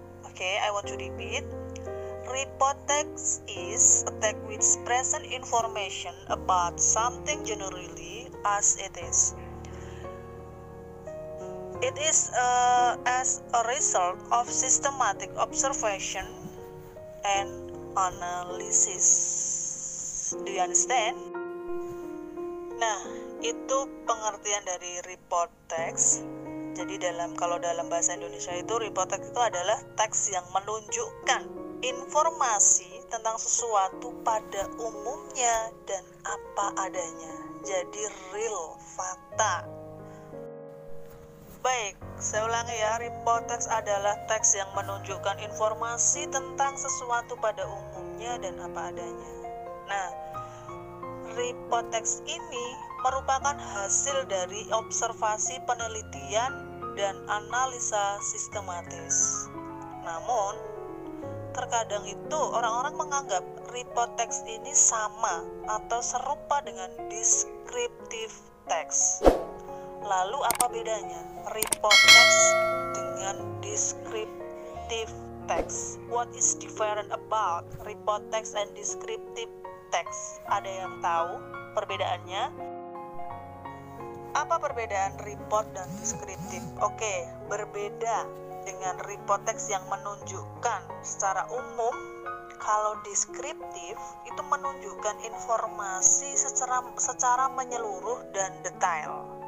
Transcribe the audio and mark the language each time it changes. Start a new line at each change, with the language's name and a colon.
English: Okay, I want to repeat. Report text is a text which presents information about something generally as it is. It is as a result of systematic observation and analysis. Do you understand?
Indonesian: Nah, itu pengertian dari report text. Jadi kalau dalam bahasa Indonesia itu report text itu adalah teks yang menunjukkan informasi tentang sesuatu pada umumnya dan apa adanya. Jadi real, fakta. Baik, saya ulangi ya, report text adalah teks yang menunjukkan informasi tentang sesuatu pada umumnya dan apa adanya. Nah, report text ini merupakan hasil dari observasi penelitian dan analisa sistematis. Namun, terkadang itu orang-orang menganggap report text ini sama atau serupa dengan descriptive text. Lalu apa bedanya report text dengan descriptive text?
English: What is different about report text and descriptive text?
Indonesian: Ada yang tahu perbedaannya? Apa perbedaan report dan descriptive? Oke, berbeda dengan report text yang menunjukkan secara umum, kalau descriptive itu menunjukkan informasi secara menyeluruh dan detail.